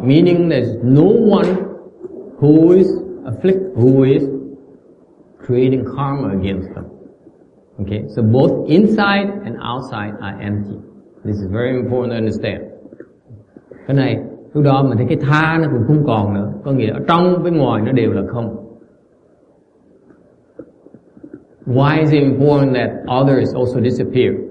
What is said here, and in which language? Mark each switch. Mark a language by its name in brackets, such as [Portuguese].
[English] Meaning there's no one who is afflicted, who is creating karma against them. Okay, so both inside and outside are empty. This is very important to understand. [Vietnamese] Cái này, lúc đó mình thấy cái tha nó cũng không còn nữa. Có nghĩa là trong với ngoài nó đều là không. [English] Why is it important that others also disappear?